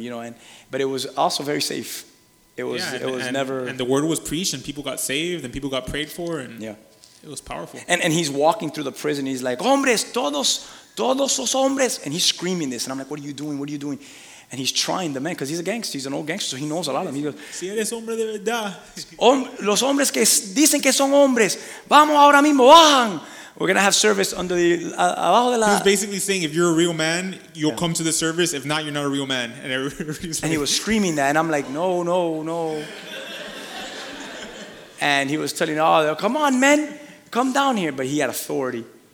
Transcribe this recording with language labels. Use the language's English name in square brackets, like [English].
[English] You know, and but it was also very safe. It was, yeah, and, it was and, never. And the word was preached and people got saved and people got prayed for. And yeah. It was powerful. And he's walking through the prison. He's like, [Spanish] hombres, todos los hombres. [English] And he's screaming this. And I'm like, what are you doing? And he's trying the man, because he's a gangster. He's an old gangster, so he knows a lot of them. He goes, [Spanish] si eres hombre de verdad. Los hombres que dicen que son hombres. Vamos ahora mismo, bajan. [English] We're going to have service under the... [Spanish] abajo de la. [English] He was basically saying, if you're a real man, you'll come to the service. If not, you're not a real man. And, like, and he was screaming that. And I'm like, no. And he was telling all, come on, men. Come down here. But he had authority.